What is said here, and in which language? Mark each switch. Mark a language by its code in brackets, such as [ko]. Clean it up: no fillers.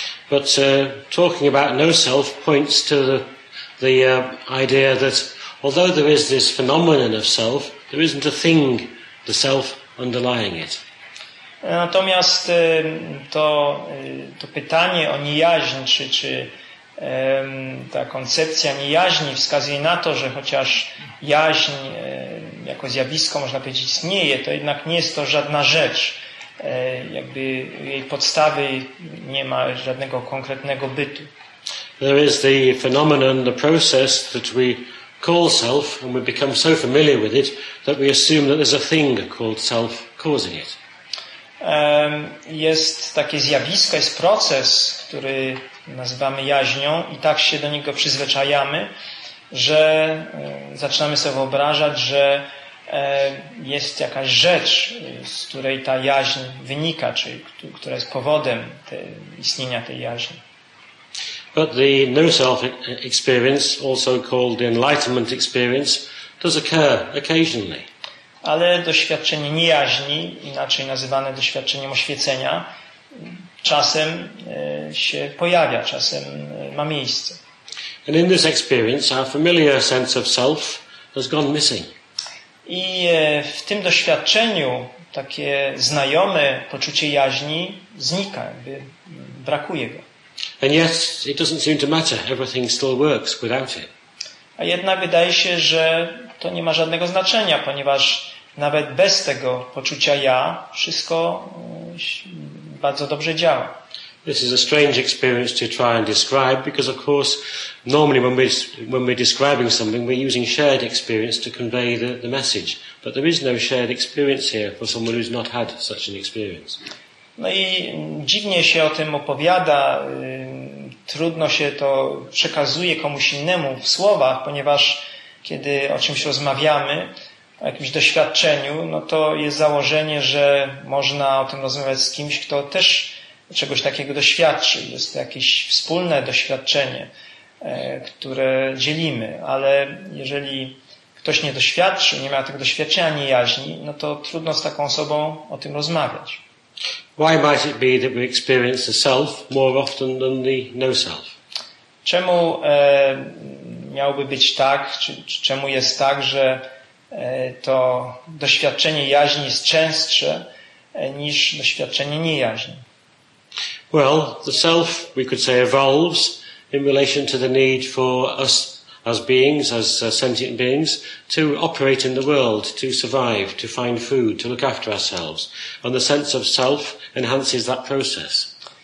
[en] But talking about no self points to the idea that although there is this phenomenon of self, there isn't a thing, the self, underlying it. [pl] Natomiast to pytanie o niejaźń czy ta koncepcja niejaźni wskazuje na to, że chociaż jaźń jako zjawisko, można powiedzieć, istnieje, to jednak nie jest to żadna rzecz. Jakby jej podstawy nie ma żadnego konkretnego bytu. [en] There is the phenomenon, the process that we call self and we become so familiar with it that we assume that there's a thing called self causing it. [pl] Jest takie zjawisko, jest proces, który nazywamy jaźnią i tak się do niego przyzwyczajamy, że zaczynamy sobie wyobrażać, że jest jakaś rzecz, z której ta jaźń wynika, czy która jest powodem istnienia tej jaźni. [en] But the no-self experience, also called the enlightenment experience, does occur occasionally. [pl] Ale doświadczenie niejaźni, inaczej nazywane doświadczeniem oświecenia, czasem się pojawia, czasem ma miejsce. [en] And in this experience, our familiar sense of self has gone missing. [pl] I w tym doświadczeniu takie znajome poczucie jaźni znika, jakby brakuje go. [en] And yet, it doesn't seem to matter. Everything still works without it. [pl] A jednak wydaje się, że to nie ma żadnego znaczenia, ponieważ nawet bez tego poczucia ja, wszystko bardzo dobrze działa. [en] This is a strange experience to try and describe, because of course normally when we're describing something we're using shared experience to convey the message, but there is no shared experience here for someone who's not had such an experience. [pl] No i dziwnie się o tym opowiada, trudno się to przekazuje komuś innemu w słowach, ponieważ kiedy o czymś rozmawiamy, o jakimś doświadczeniu, no to jest założenie, że można o tym rozmawiać z kimś, kto też czegoś takiego doświadczył. Jest to jakieś wspólne doświadczenie, które dzielimy, ale jeżeli ktoś nie doświadczył, nie ma tego doświadczenia, nie jaźni, no to trudno z taką osobą o tym rozmawiać. [en] Why might it be that we experience the self more often than the no self? [pl] Czemu miałby być tak, czy czemu jest tak, że to doświadczenie jaźni jest częstsze niż doświadczenie niejaźni? [en] Well, the self, we could say, evolves in relation to the need for us as beings, as sentient beings, to operate in the world, to survive, to find food, to look after ourselves. And the sense of self enhances that process.